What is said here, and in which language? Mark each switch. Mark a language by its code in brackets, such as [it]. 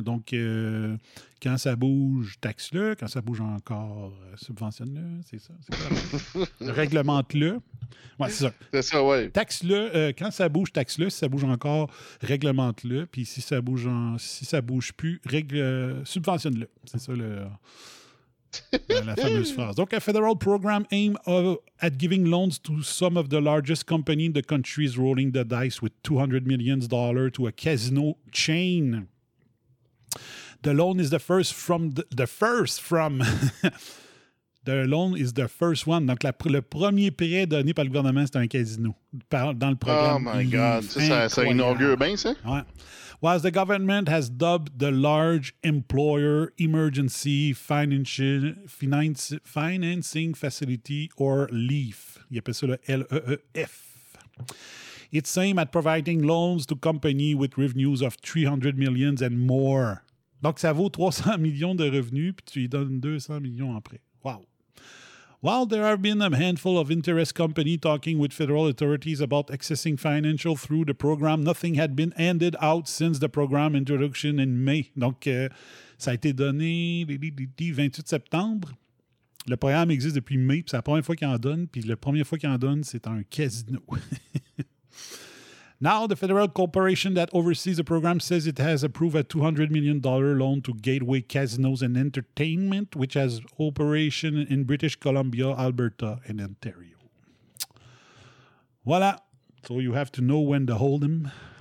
[fr] Donc, quand ça bouge, taxe-le. Quand ça bouge encore, subventionne-le. C'est ça. C'est réglemente-le. Ouais, c'est ça. C'est ça, oui. Taxe-le. Quand ça bouge, taxe-le. Si ça bouge encore, réglemente-le. Puis si ça bouge si ça bouge plus, subventionne-le. C'est ça, la fameuse phrase. [en] Donc, a federal program aimed at giving loans to some of the largest companies in the country is rolling the dice with $200 million to a casino chain. The loan is the first from the first one. [fr] Donc, le premier prêt donné par le gouvernement, c'est un casino. Dans le programme. [en] Oh my God, [fr] ça inaugure bien, ça? Ouais. [en] While the government has dubbed the large employer emergency financing facility, or LEEF. [fr] Il appelle ça le LEEF. [en] It's aimed at providing loans to companies with revenues of $300 million and more. [fr] Donc, ça vaut 300 millions de revenus, puis tu lui donnes 200 millions en prêt. Wow. [en] While there have been a handful of interest companies talking with federal authorities about accessing financial through the program, nothing had been handed out since the program introduction in May. [fr] Donc, ça a été donné le 28 septembre. Le programme existe depuis mai, puis c'est la première fois qu'il en donne, puis la première fois qu'il en donne, c'est un casino. [en] Now, the federal corporation that oversees the program says it has approved a $200 million loan to Gateway Casinos and Entertainment, which has operation in British Columbia, Alberta, and Ontario. Voilà. So you have to know when to hold them.